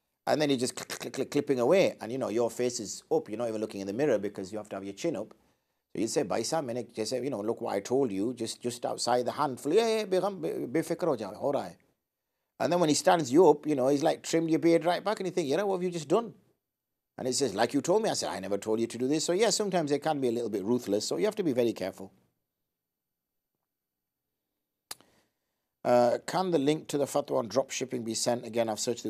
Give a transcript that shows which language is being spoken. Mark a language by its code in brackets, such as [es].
[en] And then he just clipping away. And you know, your face is up. You're not even looking in the mirror because you have to have your chin up. So he'd say, [ur] بھائی صاحب، میں نے جیسے، [en] you know, look what I told you. Just outside the hand. [ur] یہ، بےفکر ہو جاؤ، ہو رہا ہے۔ [en] And then when he stands you up, you know, he's like trimmed your beard right back. And you think, you know, what have you just done? And he says, like you told me. I said, I never told you to do this. So yeah, sometimes it can be a little bit ruthless. So you have to be very careful. Can the link to the fatwa on dropshipping be sent? Again, I've searched it.